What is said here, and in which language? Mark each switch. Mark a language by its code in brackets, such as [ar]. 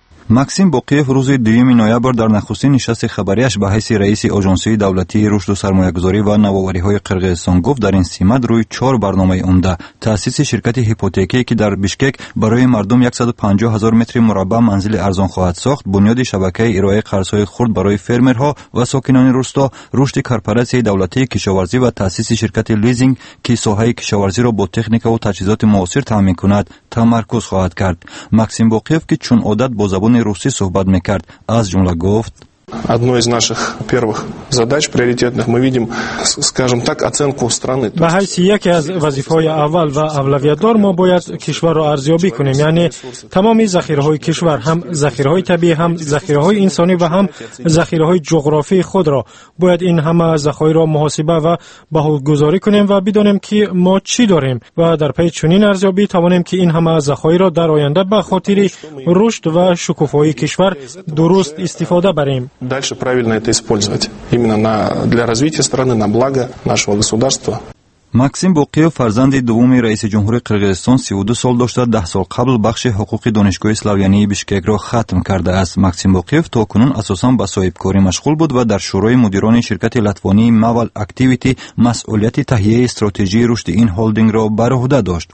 [fa] مکسیم باقیف روز دویم نویبر در نخستین نشست خبریش به حیث رئیس آژانسی دولتی رشد و سرمایه گذاری و نوآوری های قرغیزستان گفت در این سمت روی چهار برنامه عمده تأسیس شرکت هیپوتکی که در بیشکک برای مردم 150 هزار متر مربع منزل ارزان خواهد ساخت، بنیاد شبکه ارائه قرضهای خرد برای فرمرها و ساکنان روستا، رشد کارپراسی دولتی کشاورزی و تأسیس شرکت لیزینگ که ساحه کشاورزی را با تکنیک و تجهیزات موثر تامین کند تمرکز خواهد کرد. مکسیم باقیف که چون عادت با زبان روسی صحبت میکرد از جمله گفت [ru] одной из наших первых задач приоритетных мы видим, скажем так, оценку страны. [fa] به حیث یکی از وظیفه‌های اول و اولویت‌دار ما باید کشور را ارزیابی کنیم، یعنی تمام ذخیره‌های کشور، هم ذخیره‌های طبیعی، هم ذخیره‌های انسانی و هم ذخیره‌های جغرافیایی خود را باید این همه ذخایر را محاسبه و بهره‌گذاری کنیم و بدانیم که ما چی داریم و در پی چنین ارزیابی توانیم که این همه ذخایر را در آینده به خاطر رشد و شکوفایی کشور درست استفاده بریم. [ru] Дальше правильно это использовать именно на для развития страны на благо нашего государства. [fa] مکسیم باقیف فرزند دوم رئیس جمهور قرغیزستان 32 سال داشته 10 سال قبل بخش حقوقی دانشگاه سلاویانی بیشکک را ختم کرده است. مکسیم باقیف تا کنون اساساً به صاحب کاری مشغول بود و در شورای مدیران شرکت لاتوانی مول اکتیویتی مسئولیت تهیه استراتژی رشد این هلدینگ را بر عهده داشت.